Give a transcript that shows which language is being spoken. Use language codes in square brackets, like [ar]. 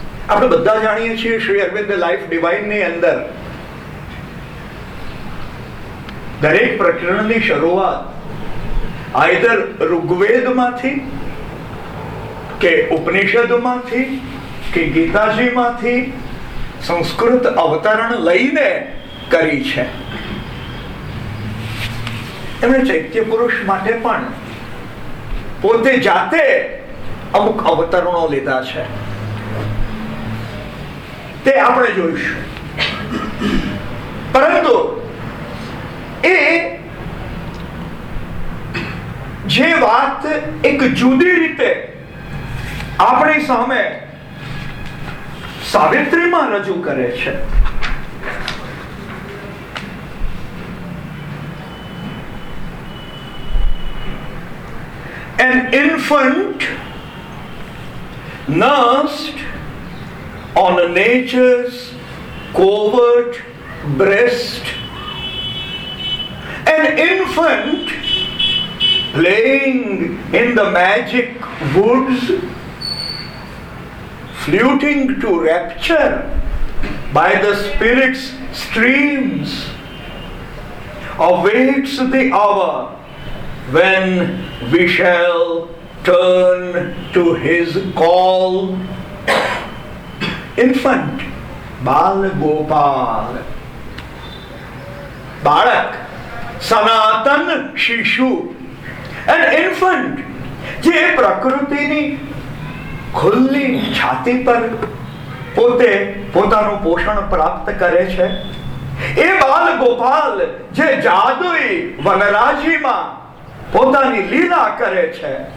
[gu] આપણે બધા જાણીએ છીએ શ્રી અરવિંદ લાઈફ ડિવાઇનની અંદર દરેક પ્રકરણની શરૂઆત આઈધર ઋગ્વેદમાંથી કે ઉપનિષદમાંથી કે ગીતાજીમાંથી સંસ્કૃત અવતરણ લઈને કરી છે. એમણે ચૈત્ય પુરુષ માટે પણ પોતે જાતે અમુક અવતરણો લીધા છે, તે આપણે જોઈશું. પરંતુ એ જે વાત એક જુદી રીતે આપણી સામે સાવિત્રીમાં રજૂ કરે છે, [en] An infant nursed on nature's covert breast, an infant playing in the magic woods, fluting to rapture by the spirit's streams, awaits the hour when we shall turn to his call. [gu] Infant Bal Gopal, Balak સનાતન શિશુ, [en] an infant [gu] જે પ્રકૃતિની ખુલ્લી છાતી પર પોતે પોતાનું પોષણ પ્રાપ્ત કરે છે, એ બાલ ગોપાલ જે જાદુઈ વનરાજીમાં પોતાની લીલા કરે છે,